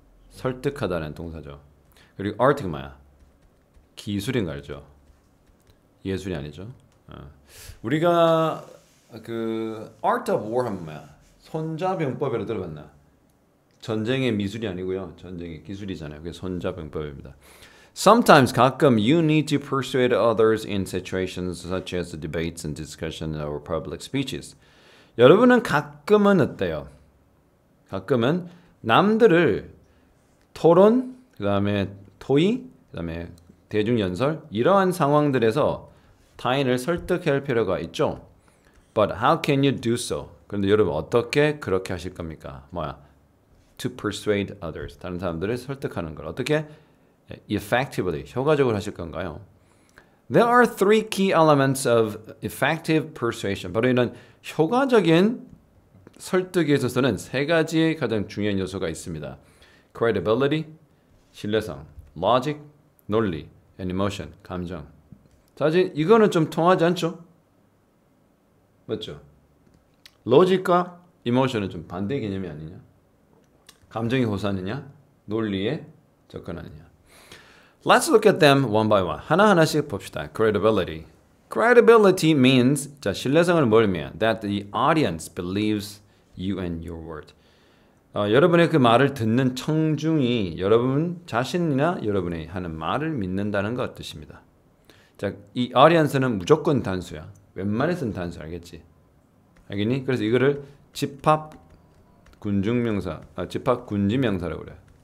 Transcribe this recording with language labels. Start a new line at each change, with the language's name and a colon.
Korean: 설득하다는 동사죠. 그리고 art가 뭐야? 기술인 거 알죠? 예술이 아니죠. 우리가 그 art of war 하면 뭐야? 손자병법이라 들어봤나? 전쟁의 미술이 아니고요. 전쟁의 기술이잖아요. 그게 손자병법입니다.
English: Sometimes
Korean: 가끔
English: you need to persuade others in situations such as debates and discussion or public speeches.
Korean: 여러분은 가끔은 어때요? 가끔은 남들을 토론, 그다음에 토의, 그다음에 대중연설 이러한 상황들에서 타인을 설득할 필요가 있죠.
English: But how can you do so?
Korean: 그런데 여러분 어떻게 그렇게 하실 겁니까? 뭐야?
English: To persuade others,
Korean: 다른 사람들을 설득하는 걸 어떻게 effectively, 효과적으로 하실 건가요?
English: There are three key elements of effective persuasion.
Korean: 바로 이런 효과적인 설득에 있어서는 세 가지의 가장 중요한 요소가 있습니다.
English: Credibility,
Korean: 신뢰성,
English: logic,
Korean: 논리,
English: and emotion,
Korean: 감정. 사실 이거는 좀 통하지 않죠? 맞죠? 로직과 emotion은 좀 반대 개념이 아니냐? 감정이 호소하느냐, 논리에 접근하느냐.
English: Let's look at them one by one.
Korean: 하나하나씩 봅시다.
English: Credibility.
Korean: Credibility means, 자, 신뢰성을 뭘 의미해?
English: That the audience believes you and your word.
Korean: 여러분의 그 말을 듣는 청중이 여러분 자신이나 여러분이 하는 말을 믿는다는 것 뜻입니다. 자, 이 audience는 무조건 단수야. 웬만해서는 단수 알겠지? 알겠니? 그래서 이거를 집합 군중명사, 집합군지명사라고 그래.